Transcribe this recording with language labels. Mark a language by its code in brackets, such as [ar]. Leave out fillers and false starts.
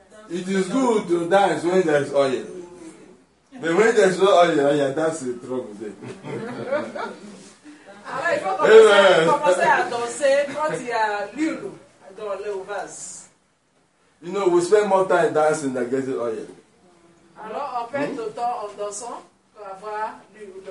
[en] It is good to dance when there is oil. But when there is no oil, that's the trouble there. [fr] Alors, il faut commencer à danser quand il y a l'huile dans le vase. [en] You know, we spend more time dancing than getting oil. [fr] Alors, on perd le temps en dansant pour avoir l'huile.